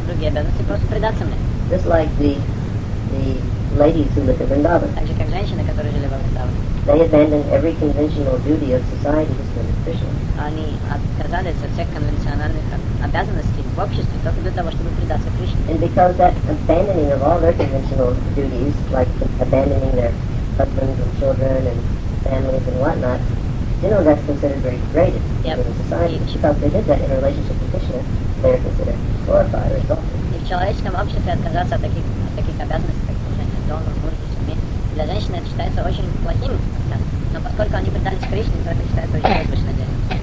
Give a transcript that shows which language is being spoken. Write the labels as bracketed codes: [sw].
[ru] другие обязанности, просто предаться мне. [en] Just like the ladies who live in Vrindavan. [ru] Так же, как женщины, которые жили во Вриндаване. [en] They abandon every conventional duty of society to spend with Krishna. [ru] Они отказались от всех конвенциональных обязанностей в обществе только для того, чтобы предаться Кришне. [en] And because that abandoning of all their conventional duties, like abandoning their husbands and children and families and whatnot, you know, that's considered very degraded in society. And she felt they did that in relationship with Krishna, they are considered glorified or exalted. [ru] И в человеческом обществе отказаться от таких обязанностей, как служение дому, мужу, семье, для женщины это считается очень плохим. Но поскольку они предались Кришне, то это считается очень возвышенным делом.